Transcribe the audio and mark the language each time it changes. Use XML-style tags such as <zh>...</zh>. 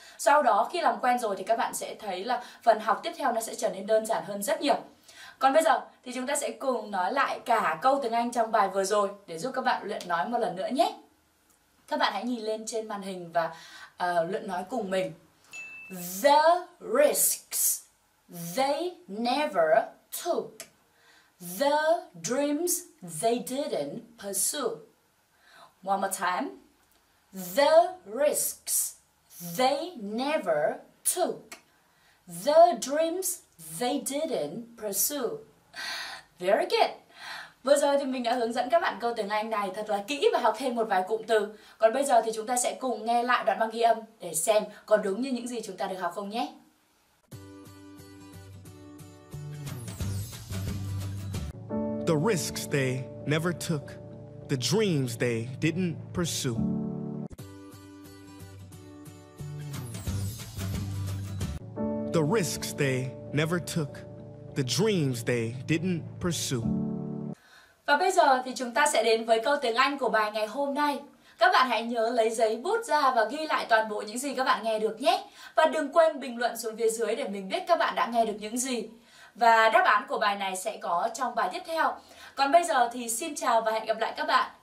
<vi>Sau đó khi làm quen rồi thì các bạn sẽ thấy là phần học tiếp theo nó sẽ trở nên đơn giản hơn rất nhiều. Còn bây giờ thì chúng ta sẽ cùng nói lại cả câu tiếng Anh trong bài vừa rồi để giúp các bạn luyện nói một lần nữa nhé. Các bạn hãy nhìn lên trên màn hình và luyện nói cùng mình.</vi> <en>The risks they never took, the dreams they didn't pursue. One more time. The risks they never took, the dreams they didn't pursue. Very good.</en> <vi>Vừa rồi thì mình đã hướng dẫn các bạn câu tiếng Anh này thật là kỹ và học thêm một vài cụm từ. Còn bây giờ thì chúng ta sẽ cùng nghe lại đoạn băng ghi âm để xem có đúng như những gì chúng ta được học không nhé.</vi> <en>The risks they never took, the dreams they didn't pursue. The risks they never took, the dreams they didn't pursue.</en> <vi>Và bây giờ thì chúng ta sẽ đến với câu tiếng Anh của bài ngày hôm nay. Các bạn hãy nhớ lấy giấy bút ra và ghi lại toàn bộ những gì các bạn nghe được nhé. Và đừng quên bình luận xuống phía dưới để mình biết các bạn đã nghe được những gì. Và đáp án của bài này sẽ có trong bài tiếp theo. Còn bây giờ thì xin chào và hẹn gặp lại các bạn.</vi>